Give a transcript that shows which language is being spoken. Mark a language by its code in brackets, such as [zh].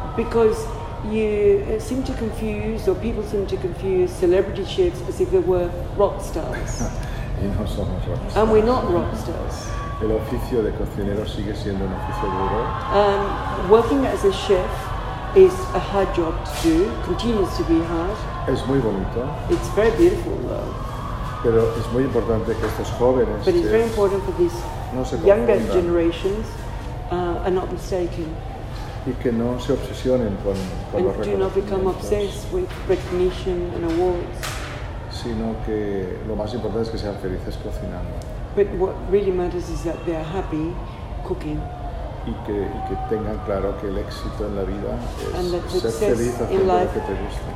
[en] Because you seem to confuse, or people seem to confuse celebrity chefs as if they were rock stars. [es] Y no somos rock stars. [en] And we're not rock stars. [es] El oficio de cocinero sigue siendo un oficio duro. [en] Working as a chef is a hard job to do, continues to be hard. [es] Es muy bonito. [en] It's very beautiful though. [es] Pero es muy importante que estos jóvenes [en] but it's very important for these no younger generations are not mistaken. [es] Y que no se obsesionen con los reconocimientos. [en] And do not become obsessed with recognition and awards. [es] Sino que lo más importante es que sean felices cocinando. [en] But what really matters is that they are happy cooking. [es] Y que tengan claro que el éxito en la vida es ser feliz haciendo lo que te gusta.